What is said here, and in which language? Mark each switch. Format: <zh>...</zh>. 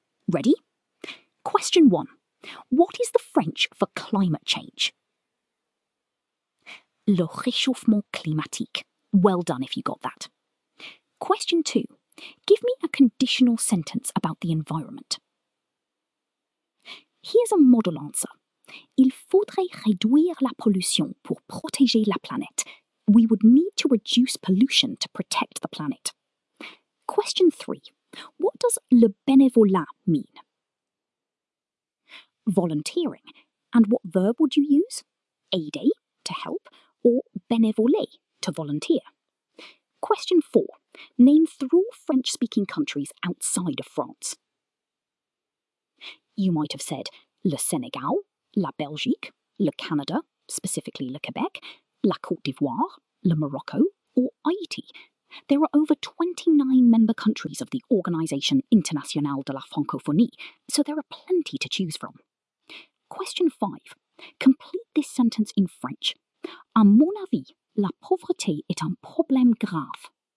<en>Ready? Question 1. What is the French for climate change?</en> <fr>Le réchauffement climatique.</fr> <en>Well done if you got that. Question 2. Give me a conditional sentence about the environment. Here's a model answer.</en> <fr>Il faudrait réduire la pollution pour protéger la planète.</fr> <en>We would need to reduce pollution to protect the planet. Question 3. What does le bénévolat mean? Volunteering. And what verb would you use? Aider, to help, or bénévoler, to volunteer? Question 4. Name three French-speaking countries outside of France. You might have said le Sénégal, la Belgique, le Canada, specifically le Québec, la Côte d'Ivoire, le Morocco, or Haiti. There are over 29 member countries of the Organisation Internationale de la Francophonie, so there are plenty to choose from. Question 5. Complete this sentence in French.</en> <fr>À mon avis, la pauvreté est un problème grave.</fr>